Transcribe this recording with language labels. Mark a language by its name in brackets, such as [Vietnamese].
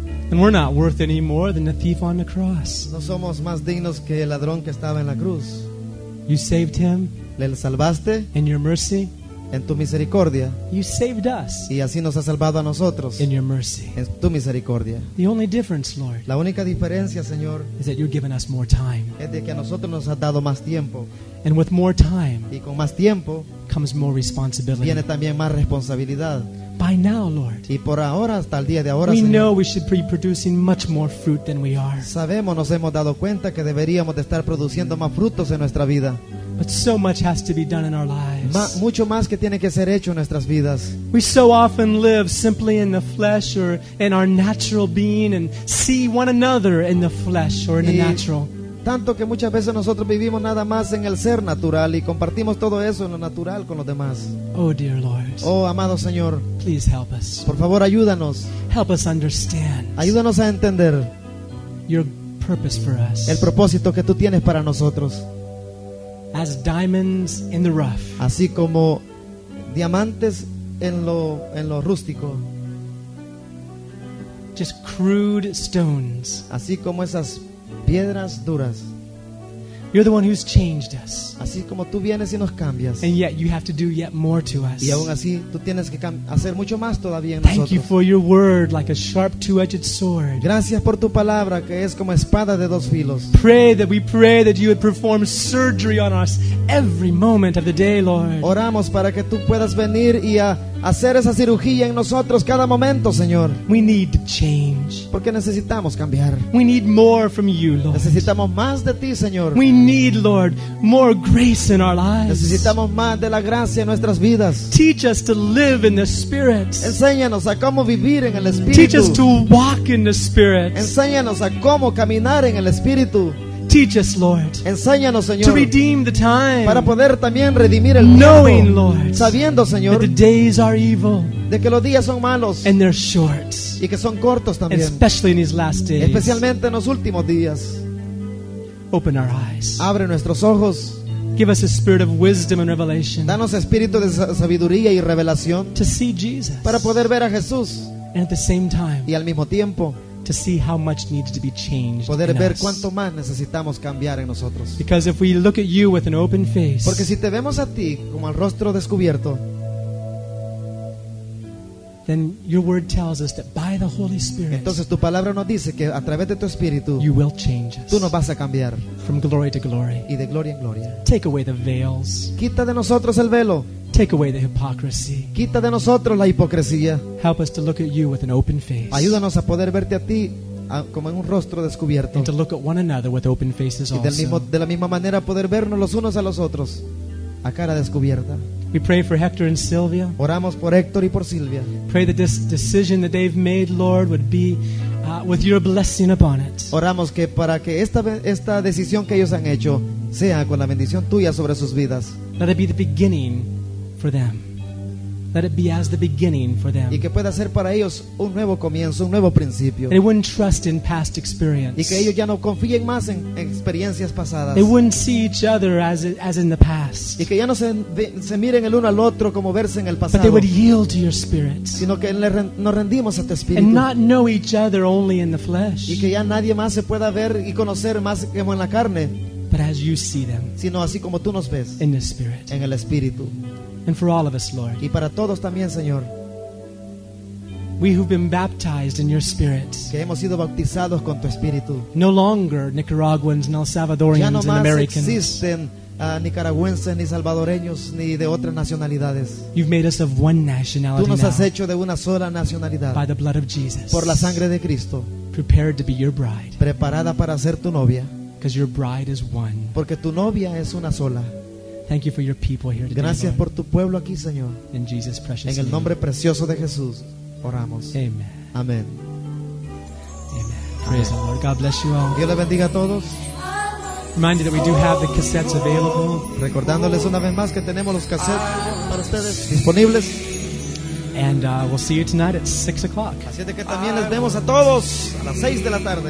[English] And we're not worth any more than the thief on the cross. [Spanish] No somos más dignos que el ladrón que estaba en la cruz. [English] You saved him. [Spanish] Le salvaste. [English] In your mercy. [Spanish] En tu misericordia. [English] You saved us. [Spanish] Y así nos has salvado a nosotros. [English] In your mercy. [Spanish] En tu misericordia. [English] The only difference, Lord. [Spanish] La única diferencia, Señor. [English] Is that you've given us more time. [Spanish] Es de que a nosotros nos has dado más tiempo. [English] And with more time. [Spanish] Y con más tiempo. [English] Comes more responsibility. [Spanish] Viene también más responsabilidad. [English] By now, Lord. [Spanish] Y por ahora, hasta el día de ahora, [English] we [Spanish] Señor, [English] know we should be producing much more fruit than we are. [Spanish] Sabemos, nos hemos dado cuenta que deberíamos de estar produciendo más frutos en nuestra vida. [English] But so much has to be done in our lives. [Spanish] Mucho más que tiene que ser hecho en nuestras vidas. [English] We so often live simply in the flesh or in our natural being and see one another in the flesh or in the natural. [Spanish] Tanto que muchas veces nosotros vivimos nada más en el ser natural y compartimos todo eso en lo natural con los demás. [English] Oh, dear Lord. [Spanish] Oh, amado Señor. [English] Please help us. [Spanish] Por favor, ayúdanos. [English] Help us understand. [Spanish] Ayúdanos a entender. [English] Your purpose for us. [Spanish] El propósito que tú tienes para nosotros. [English] As diamonds in the rough. [Spanish] Así como diamantes en lo rústico. [English] Just crude stones. [Spanish] Así como esas piedras duras. [English] You're the one who's changed us. [Spanish] Así como tú vienes y nos cambias. [English] And yet you have to do yet more to us. [Spanish] Y aún así tú tienes que hacer mucho más todavía en [English] Thank [Spanish] nosotros. [English] Thank you for your word like a sharp two-edged sword. [Spanish] Gracias por tu palabra que es como espada de dos filos. [English] Pray that you would perform surgery on us every moment of the day, Lord. [Spanish] Oramos para que tú puedas venir y a hacer esa cirugía en nosotros cada momento, Señor. [English] We need to change. [Spanish] Porque necesitamos cambiar. [English] We need more from you, Lord. [Spanish] Necesitamos más de ti, Señor. [English] We need, Lord, more grace in our lives. [Spanish] Necesitamos más de la gracia en nuestras vidas. [English] Teach us to live in the Spirit. [Spanish] Enséñanos a cómo vivir en el Espíritu. [English] Teach us to walk in the Spirit. [Spanish] Enséñanos a cómo caminar en el Espíritu. [English] Teach us, Lord, [Spanish] enséñanos, Señor, [English] to redeem the time, [Spanish] para poder también redimir el [English] knowing, [Spanish] tiempo, [English] Lord, [Spanish] sabiendo, Señor, [English] that the days are evil, [Spanish] de que los días son malos, [English] and they're short, [Spanish] y que son cortos también, [English] especially in these last days. [Spanish] Especialmente en los últimos días. [English] Open our eyes. [Spanish] Abre nuestros ojos. [English] Give us a spirit of wisdom and revelation. [Spanish] Danos espíritu de sabiduría y revelación. [English] To see Jesus. [Spanish] Para poder ver a Jesús. [English] And at the same time. [Spanish] Y al mismo tiempo. [English] To see how much needs to be changed. [Spanish] Poder ver [English] us. [Spanish] Cuánto más necesitamos cambiar en nosotros. [English] Because if we look at you with an open face. [Spanish] Porque si te vemos a ti como al rostro descubierto. [English] Then your word tells us that by the Holy Spirit. [Spanish] Entonces tu palabra nos dice que a través de tu espíritu. [English] You will change us. [Spanish] Tú nos vas a cambiar. [English] From glory to glory. [Spanish] Y de gloria en gloria. [English] Take away the veils. [Spanish] Quita de nosotros el velo. [English] Take away the hypocrisy. [Spanish] Quita de nosotros la hipocresía. [English] Help us to look at you with an open face. [Spanish] Ayúdanos a poder verte a ti como en un rostro descubierto. [English] And to look at one another with open faces also. [Spanish] Y de la misma manera poder vernos los unos a los otros a cara descubierta. [English] We pray for Hector and Sylvia. [Spanish] Oramos por Héctor y por Silvia. [English] Pray that this decision that they've made, Lord, would be with your blessing upon it. [Spanish] Oramos que para que esta decisión que ellos han hecho sea con la bendición tuya sobre sus vidas. [English] Let it be the beginning for them. Let it be as the beginning for them. [Spanish] Y que pueda ser para ellos un nuevo comienzo, un nuevo principio. [English] They wouldn't trust in past experience. [Spanish] Y que ellos ya no confíen más en experiencias pasadas. [English] They wouldn't see each other as in the past. [Spanish] Y que ya no se miren el uno al otro como verse en el pasado. [English] But they would yield to your Spirit. [Spanish] Sino que nos rendimos a tu Espíritu. [English] And not know each other only in the flesh. [Spanish] Y que ya nadie más se pueda ver y conocer más que en la carne. [English] But as you see them. [Spanish] Sino así como tú nos ves. [English] In the Spirit. [Spanish] En el Espíritu. [English] And for all of us, Lord. [Spanish] Y para todos también, Señor. [English] We who've been baptized in your Spirit. [Spanish] Que hemos sido bautizados con tu Espíritu. [English] No longer Nicaraguans and El Salvadorians [Spanish] ya no más [English] and Americans. [Spanish] Existen, nicaragüenses ni salvadoreños ni de otras nacionalidades. [English] You've made us of one nationality. [Spanish] Tú nos has hecho de una sola nacionalidad. [English] By the blood of Jesus. [Spanish] Por la sangre de Cristo. [English] Prepared to be your bride. [Spanish] Preparada para ser tu novia. [English] Because your bride is one. [Spanish] Porque tu novia es una sola. [English] Thank you for your people here today. [Spanish] Gracias por tu pueblo aquí, Señor. [English] In Jesus' precious name. [Spanish] En el nombre precioso de Jesús, oramos. [English] Amen. [Spanish] Amen. [English] Amen. Praise the Lord. God bless you all. [Spanish] Dios le bendiga a todos. [English] Remind you that we do have the cassettes available. [Spanish] Recordándoles una vez más que tenemos los cassettes para ustedes disponibles. [English] And we'll see you tonight at 6:00. [Spanish] Así es que también les vemos a todos a las 6 de la tarde.